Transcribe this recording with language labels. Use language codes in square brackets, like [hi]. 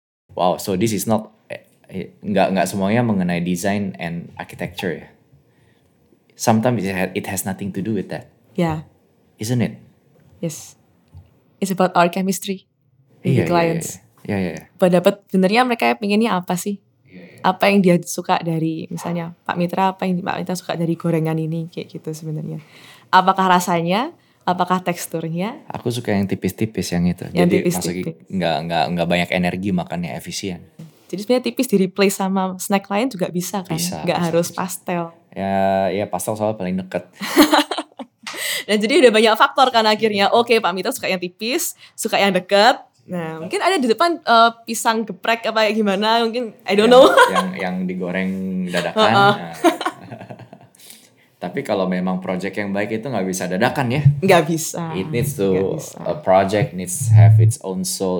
[en] Wow, so this is not, [id] nggak semuanya mengenai [en] design and architecture ya. Sometimes it has nothing to do with that. Yeah. Isn't it? Yes. It's about our chemistry with the clients. Yeah. [id] Pendapat benernya mereka pinginnya apa sih? Apa yang dia suka dari misalnya Pak Mitra, apa yang Pak Mitra suka dari gorengan ini kayak gitu sebenarnya. Apakah rasanya? Apakah teksturnya? Aku suka yang tipis-tipis yang itu. Yang jadi tipis-tipis. Maksudnya enggak banyak energi makannya, efisien. Jadi sebenarnya tipis di replace sama snack lain juga bisa kan? Bisa, enggak bisa, harus bisa. Pastel. Ya pastel soalnya paling dekat. Dan jadi udah banyak faktor kan akhirnya. Oke, Pak Mita suka yang tipis, suka yang dekat. Nah, mungkin ada di depan pisang geprek apa kayak gimana? Mungkin [en] I don't know. [id] yang digoreng dadakan. Uh-uh. Nah. Tapi kalau memang project yang baik itu gak bisa dadakan ya. Gak bisa. [en] It needs to, a project needs to have its own soul.